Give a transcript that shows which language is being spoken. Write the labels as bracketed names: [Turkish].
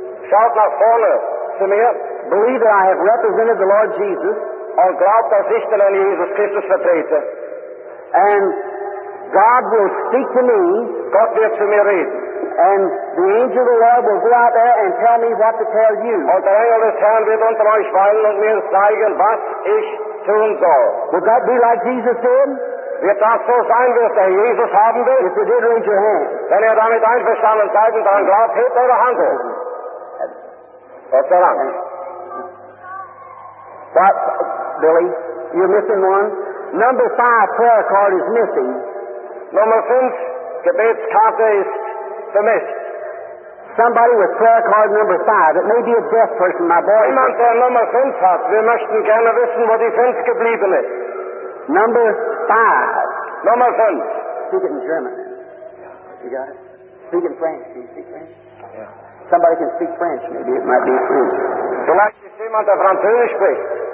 [German] Schaut nach vorne zu mir. [English] Believe that I have represented the Lord Jesus. [German] Und glaubt, dass ich den Herrn Jesus Christus vertrete. [English] And God will speak to me. [German] Gott wird zu mir reden. [English] And the angel of the Lord will go out there and tell me what to tell you. [German] Und der Engel des Herrn wird unter euch weilen und mir zeigen, was ich tun soll. [English] Would that be like Jesus did? [German] Wird das so sein, wirst der Jesus haben will? [English] If you did, raise your hand. [German] Wenn ihr damit einverstanden seid und daran glaubt, hebt eure Hand hoch. Gott sei Dank. [English] What, Billy? You're missing one? Number 5 prayer card is missing. Number 5 [German] Gebetskarte is vermisst. [English] Somebody with prayer card number 5. It may be a deaf person, my boy. [German] Jemand, der [English] Number 5 [German] hat. Wir möchten gerne wissen, wo die 5 geblieben ist. [English] Number 5. Number 5. Speak it in German. You got it? Speak in French. Can you speak French? Yeah. Somebody can speak French. Maybe it might be French. [German] Du lässt dich jemand, der Französisch spricht.